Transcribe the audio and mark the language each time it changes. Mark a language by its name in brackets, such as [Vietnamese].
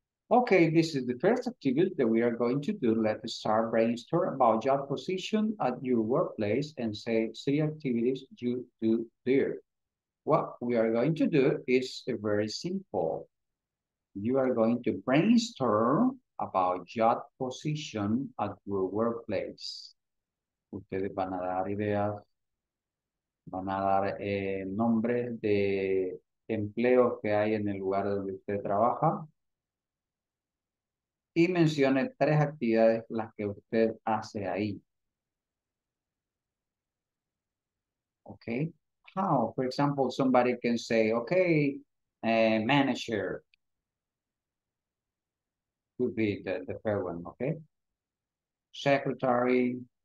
[English] Okay, this is the first activity that we are going to do. Let's start brainstorm about job position at your workplace and say three activities you do there. What we are going to do is very simple. You are going to brainstorm about job position at your workplace. [Spanish] Ustedes van a dar ideas. Van a dar nombres de empleos que hay en el lugar donde usted trabaja. Y mencione tres actividades las que usted hace ahí. [English] Okay. How, for example, somebody can say, okay, manager. Could be the fair one, okay? Secretary.